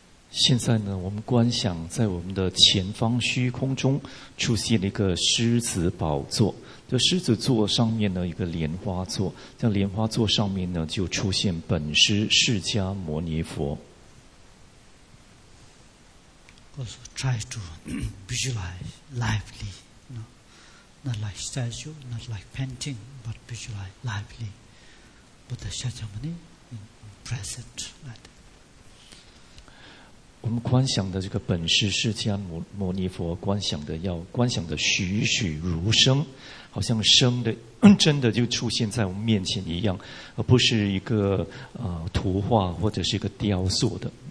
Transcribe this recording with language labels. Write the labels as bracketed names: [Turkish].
[Chinese] 现在呢，我们观想在我们的前方虚空中出现了一个狮子宝座。这狮子座上面呢，一个莲花座。在莲花座上面呢，就出现本师释迦牟尼佛。 [English] Also try to visualize lively, no, not like statue, not like painting, but visualize lively, Buddha Shakyamuni present, right? [Chinese] 我们观想的这个本师释迦牟尼佛，观想的要观想的栩栩如生，好像生的真的就出现在我们面前一样，而不是一个图画或者是一个雕塑的。